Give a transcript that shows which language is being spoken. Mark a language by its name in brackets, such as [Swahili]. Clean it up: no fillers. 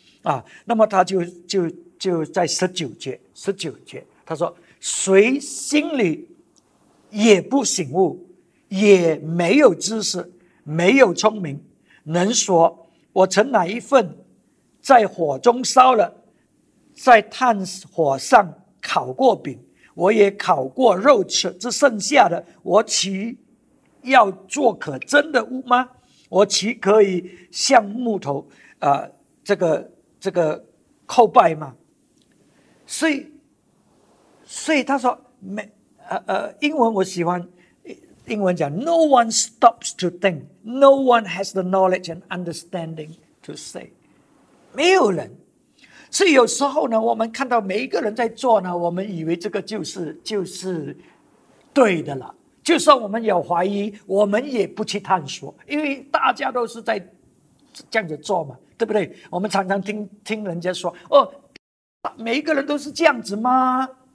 [Chinese] 啊，那么他就在十九节，他说：“谁心里也不醒悟，也没有知识，没有聪明，能说我曾哪一份在火中烧了，在炭火上烤过饼，我也烤过肉吃，这剩下的我岂要做可真的物吗？我岂可以像木头，这个叩拜吗？” 所以他说，英文我喜欢，英文讲 [English] No one stops to think, No one has the knowledge and understanding to say. [Chinese] 没有人。所以有时候呢，我们看到每一个人在做呢，我们以为这个就是对的了，就算我们有怀疑，我们也不去探索，因为大家都是在这样子做嘛，对不对？我们常常听人家说，哦，每一个人都是这样子吗？